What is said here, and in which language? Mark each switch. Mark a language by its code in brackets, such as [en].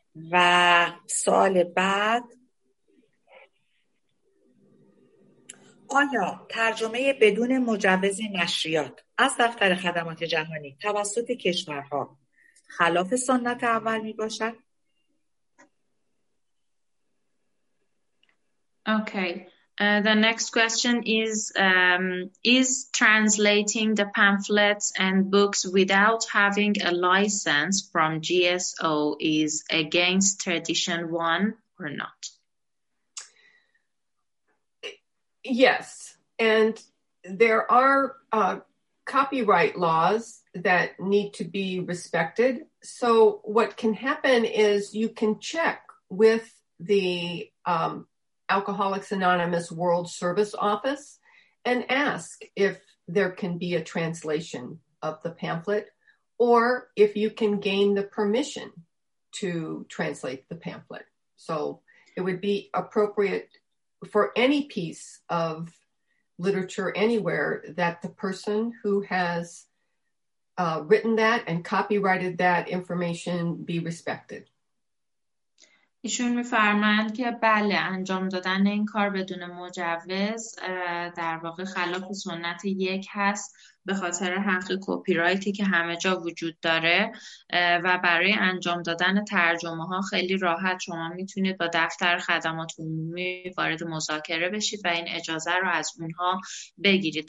[fa] و سوال بعد، آیا ترجمه بدون مجوز نشریات از دفتر خدمات جهانی توسط کشورها خلاف سنت اول می باشد؟ [en] Okay. The next question is translating the pamphlets and books without having a license from GSO is against tradition one or not? Yes, and there are copyright laws that need to be respected. So what can happen is you can check with the Alcoholics Anonymous World Service Office and ask if there can be a translation of the pamphlet or if you can gain the permission to translate the pamphlet. So it would be appropriate for any piece of literature anywhere that the person who has written that and copyrighted that information be respected. [fa] ایشون میفرمایند که بله، انجام دادن این کار بدون مجوز در واقع خلاف سنت یک هست به خاطر حق کپی رایتی که همه جا وجود داره، و برای انجام دادن ترجمه ها خیلی راحت شما میتونید با دفتر خدمات عمومی وارد مذاکره بشید و این اجازه رو از اونها بگیرید.